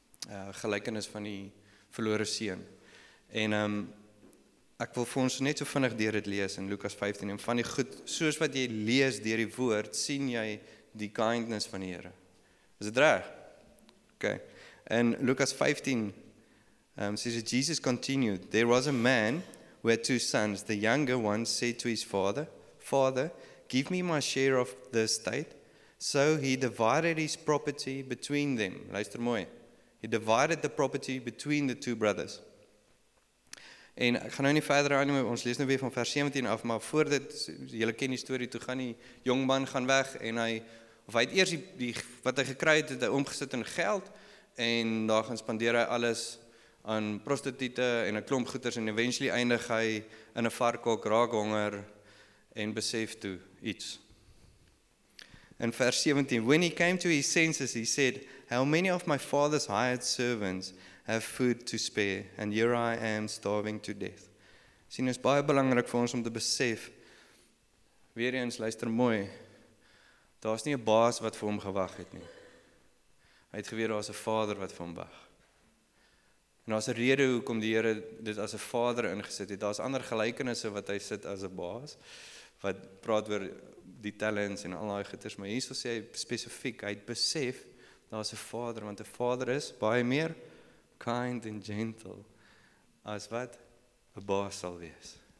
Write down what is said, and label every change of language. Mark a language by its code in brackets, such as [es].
[af] gelykenis van die verlore seun en ek wil vir ons net so vinnig deur dit lees in Lukas 15 en van die goed, soos wat jy lees deur die woord, sien jy die kindness van die Here. Is dit reg? [en] Ok, in Lukas 15 says that Jesus continued, there was a man who had 2 sons. The younger one said to his father, Father, give me my share of the estate. So he divided his property between them. [af] Luister mooi. [en] He divided the property between the 2 brothers. [af] En ek gaan nou nie verder aan, ons lees nou weer van vers 17 af, maar voor dit, julle ken die story, toe gaan die jongman gaan weg, en hy het eers wat hy gekry het, hy omgesit in geld, en daar gaan spandeer hy alles aan prostituie en 'n klomp goeders en eventually eindig hy in 'n varkok raak honger en besef toe iets. [en] In vers 17, when he came to his senses, he said, how many of my father's hired servants have food to spare, and here I am starving to death. [af] Sien, is baie belangrik vir ons om te besef, weer eens, luister mooi, daar is nie 'n baas wat vir hom gewag het nie. Hy het geweet, daar is 'n vader wat vir hom wag. En daar is 'n rede hoekom die Here dit as 'n vader ingesit het. Daar is ander gelykenisse wat hy sit as 'n baas, wat praat oor die talents en al die goeders, maar hier sê hy spesifiek, hy het besef, daar is 'n vader, want 'n vader is baie meer [en] kind and gentle, [af] as wat 'n baas sal wees.